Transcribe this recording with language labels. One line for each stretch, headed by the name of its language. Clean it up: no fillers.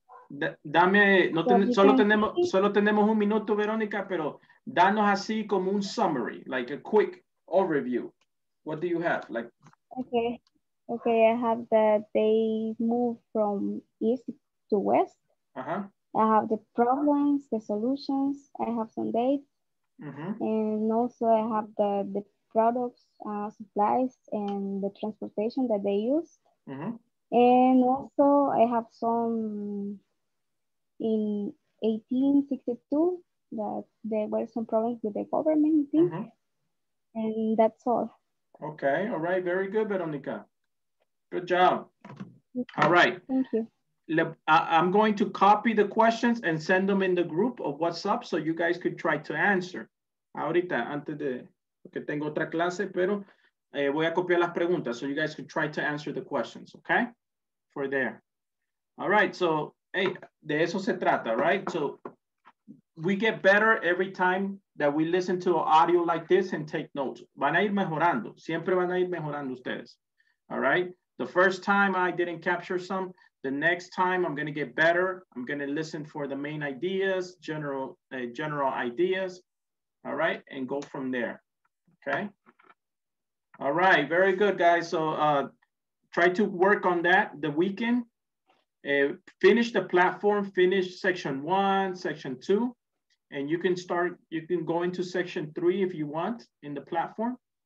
Spanish: Dame, solo tenemos un minuto, Veronica, pero danos así como un summary,
English: like a quick overview. What do you have? Like. Okay. I have that they move from east to west. I have the problems, the solutions. I have some dates. And also I have the products, supplies, and the transportation that they used. And also I have some in 1862 that there were some problems with the government thing. And that's all. Okay, all right, very good, Veronica. Good job. All right. Thank you. I'm going to copy the questions and send them in the group of WhatsApp so you guys could try to answer.
Spanish: Ahorita, antes de que tengo otra clase, pero voy a copiar las preguntas
English: so you guys could try to answer the questions, okay? For there. All right, so, hey,
Spanish: de eso se trata,
English: right? So we get better every time that we listen to audio like this and take notes.
Spanish: Van a ir mejorando, siempre van a ir mejorando ustedes,
English: all right? The first time I didn't capture some, the next time I'm going to get better. I'm going to listen for the main ideas, general ideas. All right. And go from there. Okay. All right. Very good, guys. So try to work on that the weekend. Finish the platform, finish section one, section two, and you can start, you can go into section three if you want in the platform.